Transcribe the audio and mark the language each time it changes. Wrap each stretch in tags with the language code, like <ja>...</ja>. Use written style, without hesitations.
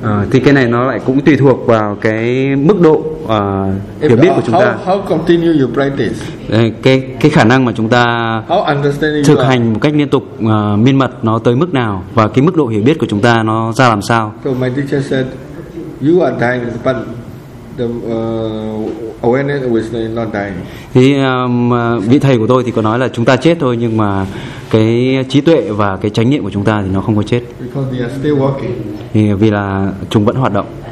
<vi>Thì cái này nó lại cũng tùy thuộc vào cái mức độ hiểu biết của chúng ta.</vi> <en>How continue your practice?</en> <vi>Cái khả năng mà chúng ta thực hành một cách liên tục miên mật nó tới mức nào và cái mức độ hiểu biết của chúng ta nó ra làm sao?</vi> <en>So my teacher said, you are dying, but the awareness is not dying.</en> <vi>Thì vị thầy của tôi thì có nói là chúng ta chết thôi nhưng mà cái trí tuệ và cái chánh niệm của chúng ta thì nó không có chết.</vi> <en>Because they are still working.</en> <vi>Thì vì là chúng vẫn hoạt động.</vi>